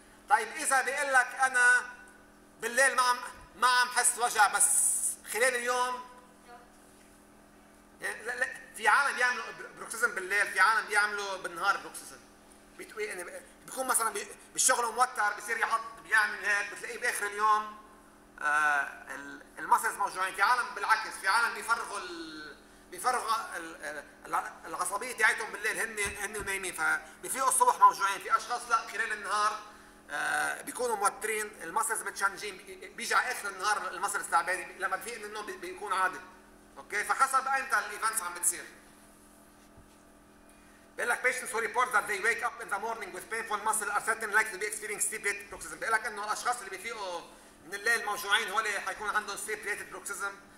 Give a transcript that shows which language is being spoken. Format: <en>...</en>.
<ar>طيب اذا بيقول لك انا بالليل ما عم حس وجع بس خلال اليوم، يعني لا، في عالم بيعملوا بروكسيزم بالليل، في عالم بيعملوا بالنهار بروكسيزم، يعني بيكون مثلا بالشغل موتر بصير يحط بيعمل هيك، بتلاقيه باخر اليوم المسلز موجوعين. في عالم بالعكس، في عالم بيفرغوا العصبية تاعتهم بالليل، هن نايمين، فبيفيقوا الصبح موجوعين. في أشخاص لا، خلال النهار بيكونوا موترين، المسلز متشنجين، بيجي على آخر النهار المسلز تعبان، لما بفيق من النوم بيكون عادي، أوكي؟ فحسب أنت الإيفنتس عم بتصير. بيقول لك</ar> <en>patients who report that they wake up in the morning with painful muscle are certain likely to be experiencing sleep related bruxism.</en> <ar>بيقول لك إنه الأشخاص اللي بيفيقوا من الليل موجوعين هولي حيكون عندهم sleep related bruxism.</ar>